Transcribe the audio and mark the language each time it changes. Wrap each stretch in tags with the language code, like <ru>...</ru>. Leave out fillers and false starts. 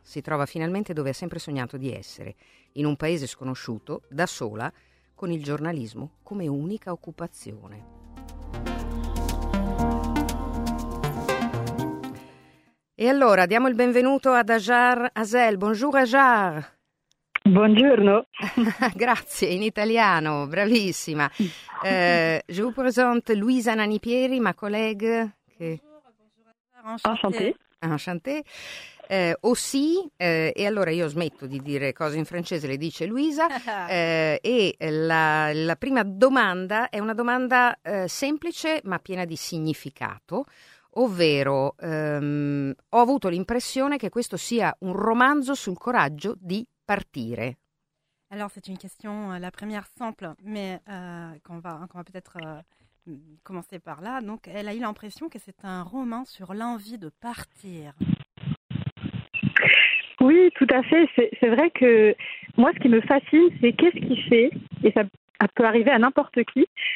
<it>Si trova finalmente dove ha sempre sognato di essere, in un paese sconosciuto, da sola, con il giornalismo come unica occupazione. E allora, diamo il benvenuto ad Hajar Hazel.</it> <fr>Bonjour Hajar!</fr> <it>Buongiorno. Grazie, in italiano, bravissima.</it> <fr>Je vous présente Luisa Nannipieri, ma collègue. Che... Enchanté.</fr> <it>Aussi, e allora io smetto di dire cose in francese, le dice Luisa. E la prima domanda è una domanda semplice ma piena di significato. Ovvero, ho avuto l'impressione che questo sia un romanzo sul coraggio di partire.</it> <fr>Alors c'est une question la première simple mais qu'on va peut-être commencer par là. Donc elle a eu l'impression que c'est un roman sur l'envie de partir. Oui, tout à fait, c'est vrai que moi ce qui me fascine c'est qu'est-ce qui fait, et ça peut arriver à n'importe qui.</fr>